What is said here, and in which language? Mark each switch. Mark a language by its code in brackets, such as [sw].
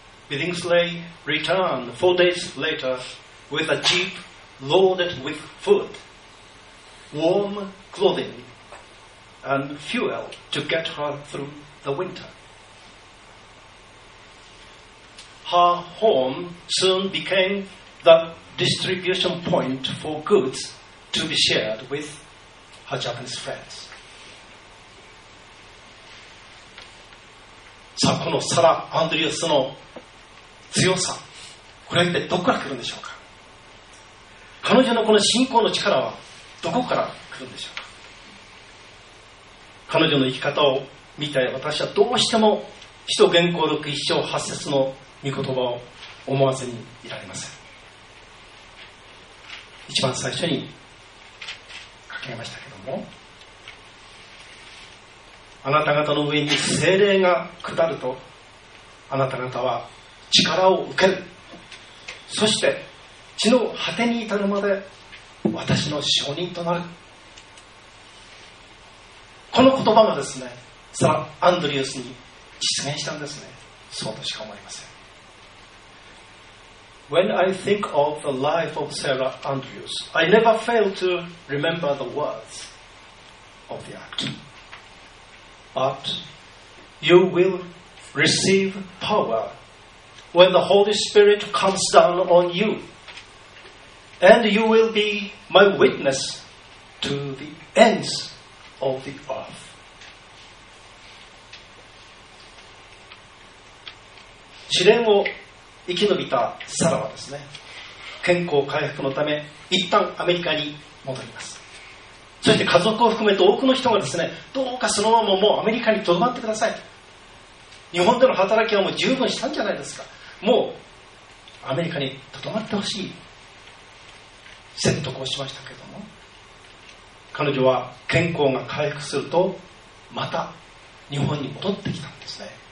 [en] Billingsley returned 4 days later with a jeep loaded with food, warm clothing, and fuel to get her through the winter. Her home soon became the distribution point for goods to be shared with her Japanese friends. [ja] さあ、このサラ・アンドリュースの強さ、これは一体どこから来るんでしょうか。彼女のこの信仰の力はどこから来るんでしょうか。彼女の生き方を見て、私はどうしても使徒言行録一章八節の御言葉を思わずにいられません。一番最初に書きましたけども、あなた方の上に聖霊が下るとあなた方は力を受ける、そして地の果てに至るまで私の証人となる。この言葉がですね、サラ・アンドリュースに実現したんですね。そうとしか思いません。 [en] When I think of the life of Sarah Andrews, I never fail to remember the words of the act. But you will receive power when the Holy Spirit comes down on you, and you will be my witness to the ends of the earth. [ja] 試練を生き延びたサラはですね、健康回復のため一旦アメリカに戻ります。そして家族を含めて多くの人がですね、どうかそのままもうアメリカに留まってください、日本での働きはもう十分したんじゃないですか、もうアメリカに留まってほしい、説得をしましたけれども、彼女は健康が回復するとまた日本に戻ってきたんですね。